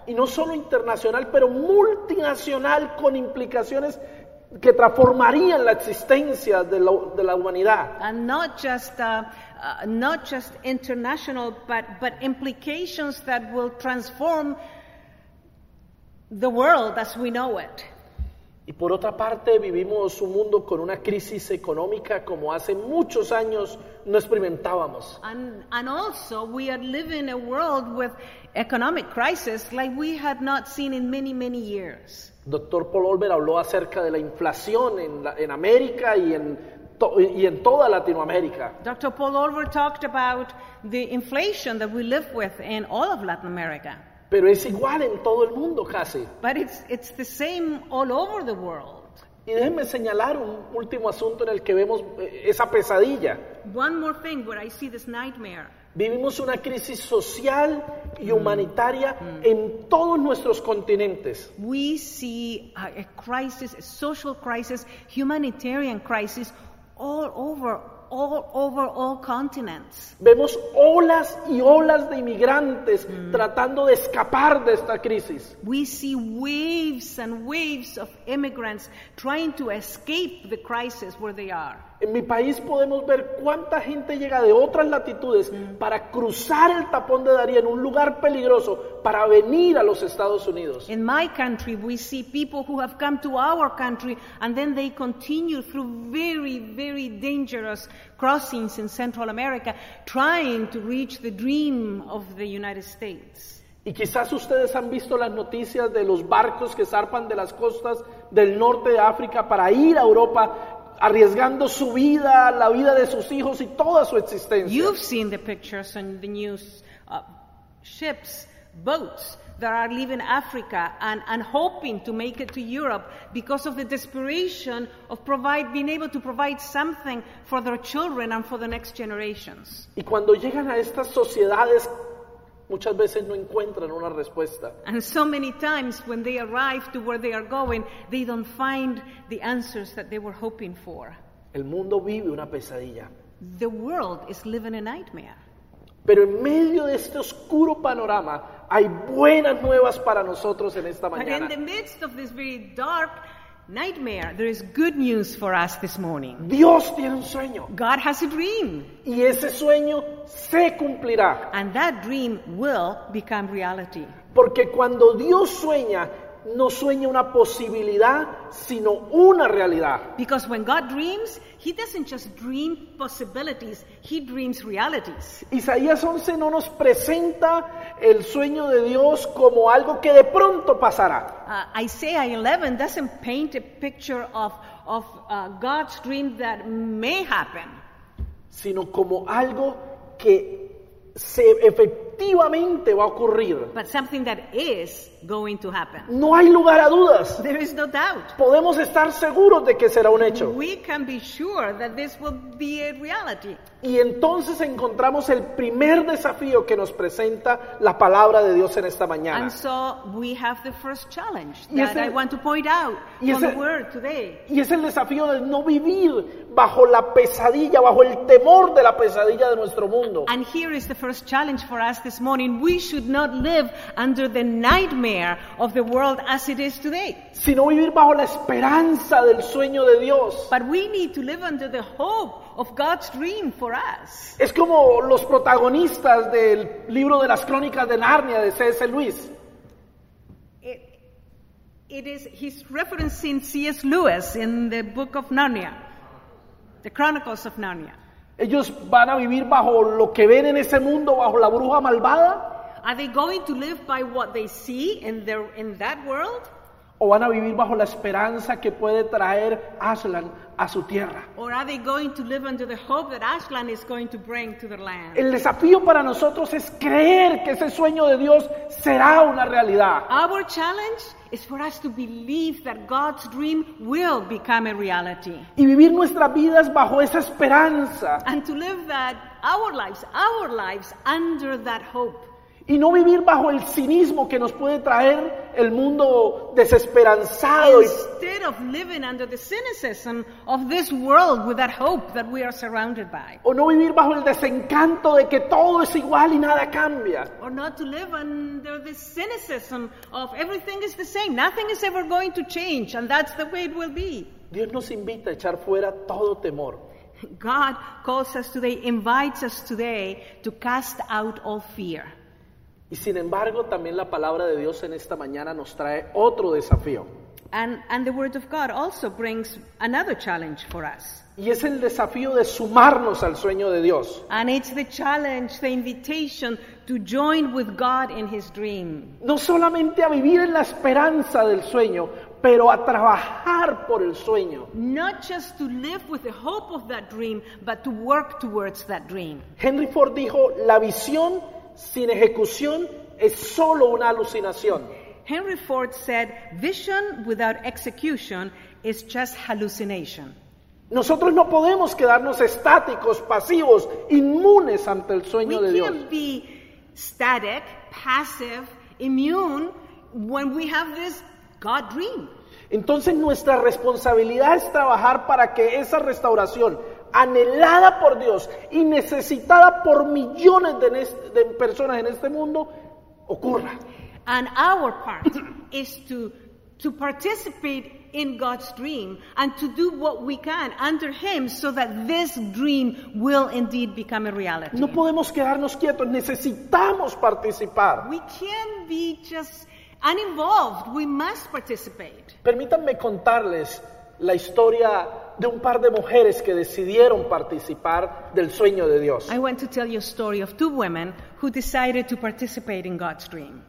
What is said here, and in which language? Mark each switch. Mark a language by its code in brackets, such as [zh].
[es] Y no solo internacional, pero multinacional, con implicaciones que transformarían la existencia de la humanidad. [en] And not just international, but implications that will transform the world as we know it. [es] Y por otra parte, vivimos un mundo con una crisis económica como hace muchos años no experimentábamos. [en] And also, we are living a world with economic crisis like we had not seen in many, many years. [es] Dr. Paul Olber habló acerca de la inflación en América y en toda Latinoamérica. [en] Dr. Paul Olber talked about the inflation that we live with in all of Latin America. [es] Pero es igual en todo el mundo casi. [en] But it's the same all over the world. [es] Y déjenme señalar un último asunto en el que vemos esa pesadilla. [en] One more thing where I see this nightmare. [es] Vivimos una crisis social y humanitaria en todos nuestros continentes. [en] We see a crisis, a social crisis, humanitarian crisis all over all continents. [es] Vemos olas y olas de inmigrantes tratando de escapar de esta crisis. [en] We see waves and waves of immigrants trying to escape the crisis where they are. [es] En mi país podemos ver cuánta gente llega de otras latitudes para cruzar el tapón de Darién, un lugar peligroso, para venir a los Estados Unidos. [en] In my country, we see people who have come to our country and then they continue through very, very dangerous crossings in Central America, trying to reach the dream of the United States. [es] Y quizás ustedes han visto las noticias de los barcos que zarpan de las costas del norte de África para ir a Europa, arriesgando su vida, la vida de sus hijos y toda su existencia. [en] You've seen the pictures and the news, ships boats that are leaving Africa and hoping to make it to Europe because of the desperation of being able to provide something for their children and for the next generations. [es] Y cuando llegan a estas sociedades, muchas veces no encuentran una respuesta. [en] And so many times when they arrive to where they are going, they don't find the answers that they were hoping for. [es] El mundo vive una pesadilla. [en] The world is living a nightmare. [es] Pero en medio de este oscuro panorama, hay buenas nuevas para nosotros en esta mañana. [en] But in the midst of this very dark nightmare, there is good news for us this morning. [es] Dios tiene un sueño. [en] God has a dream. [es] Y ese sueño se cumplirá. [en] And that dream will become reality. [es] Porque cuando Dios sueña, no sueña una posibilidad, sino una realidad. [en] Because when God dreams, He doesn't just dream possibilities, He dreams realities. [es] Isaías 11 no nos presenta el sueño de Dios como algo que de pronto pasará. [en] Isaiah 11 doesn't paint a picture of God's dream that may happen. [es] Sino como algo que se efectivamente va a ocurrir. [en] But something that is going to happen. [es] No hay lugar a dudas. [en] There is no doubt. [es] Podemos estar seguros de que será un hecho. [en] We can be sure that this will be a reality. [es] Y entonces encontramos el primer desafío que nos presenta la palabra de Dios en esta mañana. [en] And so we have the first challenge that I want to point out on the word today. [es] Y es el desafío de no vivir bajo la pesadilla, bajo el temor de la pesadilla de nuestro mundo. [en] And here is the first challenge for us this morning. We should not live under the nightmare of the world as it is today. [es] Sino vivir bajo la esperanza del sueño de Dios. [en] But we need to live under the hope of God's dream for us. [es] Es como los protagonistas del libro de las Crónicas de Narnia de C.S. Lewis. [en] He's referencing C.S. Lewis in the book of Narnia. The Chronicles of Narnia. [es] ¿Ellos van a vivir bajo lo que ven en ese mundo, bajo la bruja malvada? [en] Are they going to live by what they see in that world? [es] ¿O van a vivir bajo la esperanza que puede traer Aslan a su tierra? [en] Or are they going to live under the hope that Aslan is going to bring to their land? [es] El desafío para nosotros es creer que ese sueño de Dios será una realidad. [en] Our challenge is for us to believe that God's dream will become a reality. [es] Y vivir nuestras vidas bajo esa esperanza. [en] And to live that our lives under that hope. [es] Y no vivir bajo el cinismo que nos puede traer el mundo desesperanzado. [en] Instead of living under the cynicism of this world with that hope that we are surrounded by. [es] O no vivir bajo el desencanto de que todo es igual y nada cambia. [en] Or not to live under the cynicism of everything is the same, nothing is ever going to change, and that's the way it will be. [es] Dios nos invita a echar fuera todo temor. [en] God calls us today, invites us today to cast out all fear. [es] Y sin embargo, también la palabra de Dios en esta mañana nos trae otro desafío. [en] And the word of God also brings another challenge for us. [es] Y es el desafío de sumarnos al sueño de Dios. [en] And it's the challenge, the invitation to join with God in His dream. [es] No solamente a vivir en la esperanza del sueño, pero a trabajar por el sueño. [en] Not just to live with the hope of that dream, but to work towards that dream. [es] Henry Ford dijo, la visión sin ejecución es solo una alucinación. [en] Henry Ford said, vision without execution is just hallucination. [es] Nosotros no podemos quedarnos estáticos, pasivos, inmunes ante el sueño de Dios. [en] We can't be static, passive, immune when we have this God dream. [es] Entonces nuestra responsabilidad es trabajar para que esa restauración anhelada por Dios y necesitada por millones de personas en este mundo ocurra. [en] And our part is to participate in God's dream and to do what we can under Him so that this dream will indeed become a reality. [es] No podemos quedarnos quietos, necesitamos participar. [en] We can't be just uninvolved, we must participate. [es] Permítanme contarles la historia de un par de mujeres que decidieron participar del sueño de Dios. [en] I want to tell you a story of two women who decided to participate in God's dream.